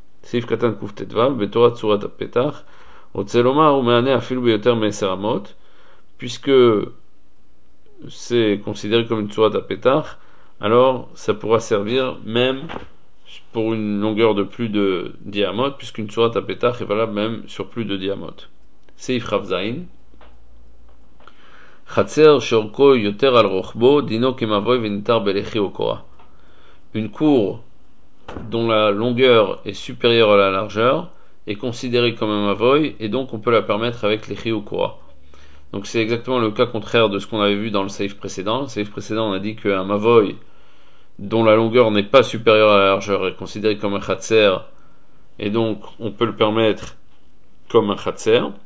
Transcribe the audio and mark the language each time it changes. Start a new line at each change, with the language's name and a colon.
Hebrew: סעיף קטן קוף תדבב, בתורת צורת הפתח, רוצה לומר, הוא מענה אפילו ביותר מ-10 אמות,
French: puisque c'est considéré comme une צורת הפתח, alors ça pourra servir même pour une longueur de plus de 10 אמות, puisqu'une צורת הפתח est valable même sur plus de 10 אמות.
Hebrew: סעיף חף זין, חצר שאורכו יותר על רוחבו, דינו כמבוי ונתר בלחי או קורה.
French: Une cour dont la longueur est supérieure à la largeur est considérée comme un mavoï et donc on peut la permettre avec l'echi ou kora. Donc c'est exactement le cas contraire de ce qu'on avait vu dans le saif précédent. Le saif précédent, on a dit qu'un mavoï dont la longueur n'est pas supérieure à la largeur est considéré comme un khatser et donc on peut le permettre comme un khatser.